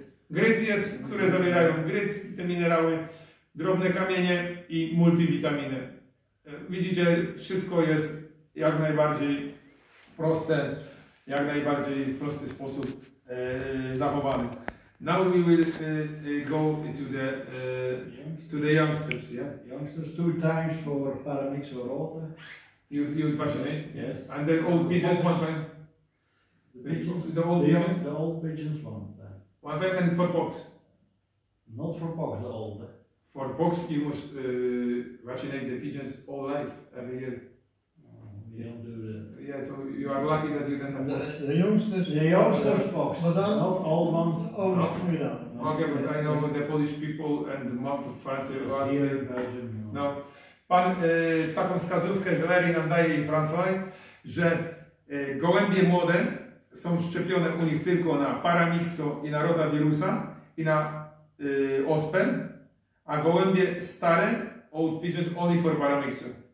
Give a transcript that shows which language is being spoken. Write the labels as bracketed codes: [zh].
[pl] Grit jest, które zawierają grit, te minerały. Drobne kamienie i multivitaminy. Widzicie, wszystko jest jak najbardziej proste, jak najbardziej w prosty sposób zachowany. [en] Now we will go into the to the youngsters, yeah? Youngsters, two times for paramix or water. You vaccinate? Yes. And the old pigeons one time? The old pigeons one time. One time and for pox? Not for pox, the old. For pox, you must vaccinate the pigeons all life, every year. We don't do that. Yeah, so you are lucky that you didn't have pox. The youngsters pox. Madame? Not old ones. Oh, no. Okay, but I know the Polish people and the mouth of France. Here in Belgium. No. [pl] Pan taką wskazówkę Larry nam daje i François, że gołębie młode są szczepione u nich tylko na paramyxo i na rotawirusa i na ospę, a gołębie stare, [en] old pigeons, only for paramyxo.